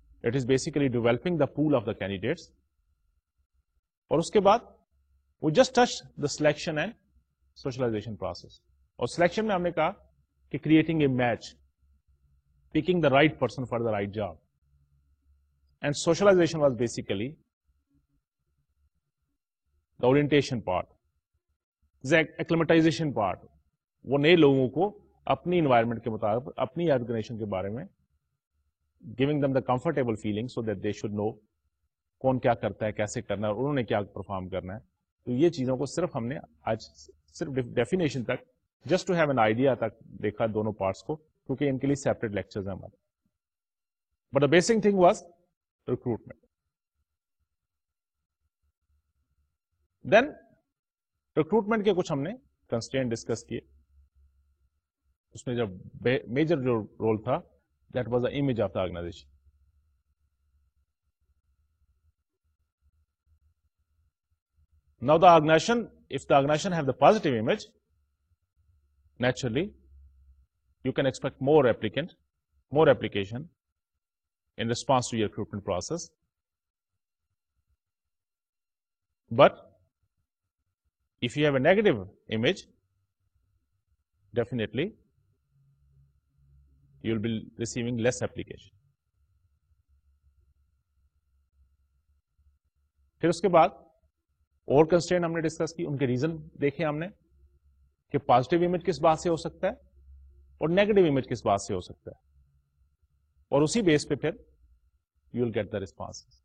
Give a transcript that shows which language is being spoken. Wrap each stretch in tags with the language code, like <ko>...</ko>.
<en>It is basically developing the pool of the candidates.</en> <ur>اور اس کے بعد وہ</ur> <en>Just touch the selection and socialization process.</en> <ur>اور selection میں ہم نے کہا کہ</ur> <en>Creating a match, picking the right person for the right job. And socialization was basically the orientation part, acclimatization part,</en> <ur>وہ نئے لوگوں کو اپنی انوائرمنٹ کے مطابق اپنی آرگنائزیشن کے بارے میں,</ur> <en>giving them the comfortable feeling so that they should know</en> <ur>کون کیا کرتا ہے, کیسے کرنا ہے, اور انہوں نے کیا پرفارم کرنا ہے. تو یہ چیزوں کو صرف ہم نے آج صرف ڈیفینیشن تک,</ur> <en>just to have an idea</en> <ur>تک دیکھا دونوں پارٹس کو, کیونکہ ان کے لیے سیپریٹ لیکچرز ہیں ہمارے.</ur> <en>But the basic thing was recruitment.</en> <ur>Then recruitment کے کچھ ہم نے کنسٹرینٹ ڈسکس کیے. اس میں جب میجر جو رول تھا</ur> <en>That was the image of the organization. Now the organization, if the organization have the positive image, naturally you can expect more applicant, more application in response to your recruitment process. But if you have a negative image, definitely you'll be receiving less application.</en> <ur>Phir uske baad اور constraint ہم نے discuss کی, ان کے reason دیکھے ہم نے کہ positive image کس بات سے ہو سکتا ہے اور نیگیٹو امیج کس بات سے ہو سکتا ہے, اور اسی بیس پہ پھر</ur> <en>You will get the response.</en>